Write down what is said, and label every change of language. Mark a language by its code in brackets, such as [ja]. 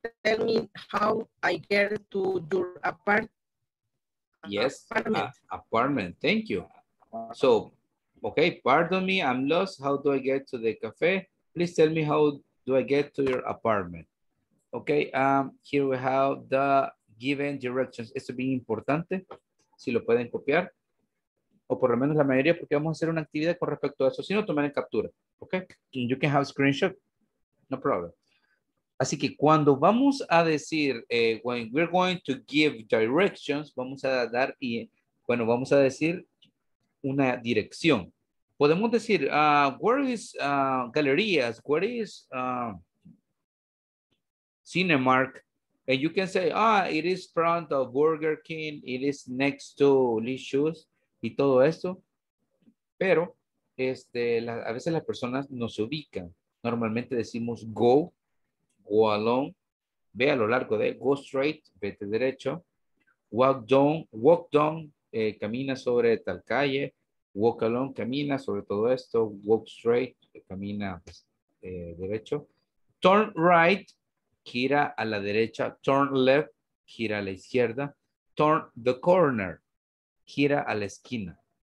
[en] Tell me how I get to your apartment. Yes, apartment. Thank you. So, okay, pardon me, I'm lost. How do I get to the cafe? Please tell me how do I get to your apartment. Okay, here we have the given directions. [es] Esto es bien importante, si lo pueden copiar, o por lo menos la mayoría, porque vamos a hacer una actividad con respecto a eso, si no, tomen en captura. [en] Okay, you can have a screenshot, no problem. [es] Así que cuando vamos a decir, [en] when we're going to give directions, [es] vamos a dar y, bueno, vamos a decir una dirección. Podemos decir, [en] where is galerías? Where is Cinemark? And you can say, it is front of Burger King, it is next to Lee's Shoes, [es] y todo esto. Pero a veces las personas no se ubican. Normalmente decimos [en] go. Go along, [es] ve a lo largo de, [en] go straight, [es] vete derecho, [en] walk down, [es] camina sobre tal calle, [en] walk along, [es] camina sobre todo esto, [en] walk straight, [es] camina derecho, [en] turn right, [es] gira a la derecha, [en] turn left, [es] gira a la izquierda, [en] turn the corner, [es] gira a la esquina.